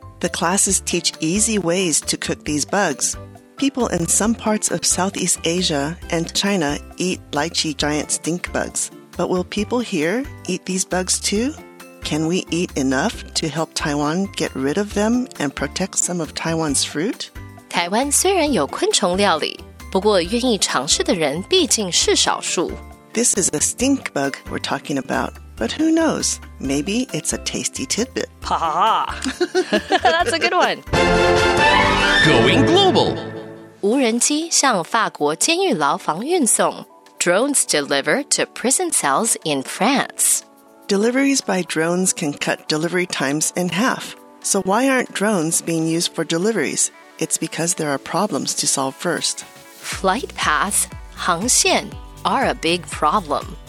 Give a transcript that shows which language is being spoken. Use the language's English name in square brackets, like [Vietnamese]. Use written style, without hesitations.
[English] The classes teach easy ways to cook these bugs. People in some parts of Southeast Asia and China eat lychee giant stink bugs. But will people here eat these bugs too? Can we eat enough to help Taiwan get rid of them and protect some of Taiwan's fruit? [Chinese] 台湾虽然有昆虫料理，不过愿意尝试的人毕竟是少数。 [English] This is a stink bug we're talking about. But who knows? Maybe it's a tasty tidbit. Ha ha ha! That's a good one! Going global! [Chinese] 无人机向法国监狱牢房运送。 [English] Drones deliver to prison cells in France. Deliveries by drones can cut delivery times in half. So why aren't drones being used for deliveries? It's because there are problems to solve first. Flight paths, 航线, are a big problem.